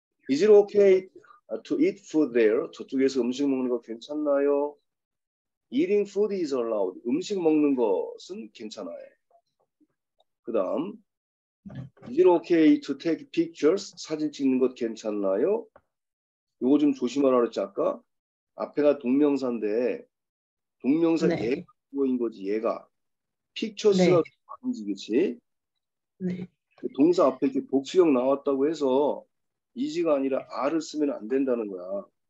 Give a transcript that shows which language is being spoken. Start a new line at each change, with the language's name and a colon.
English: Is it okay to eat food there?
Korean: 저쪽에서 음식 먹는 거 괜찮나요?
English: Eating food is allowed.
Korean: 음식 먹는 것은 괜찮아요. 그 다음.
English: Is it okay to take pictures?
Korean: 사진 찍는 것 괜찮나요? 이거 좀 조심하라 그랬지 아까? 앞에가 동명사인데 동명사 네. 예인 거지 얘가. Pictures가 아닌지 네. 그치? 네. 동사 앞에 이렇게 복수형 나왔다고 해서 is가 아니라 are을 쓰면 안 된다는 거야.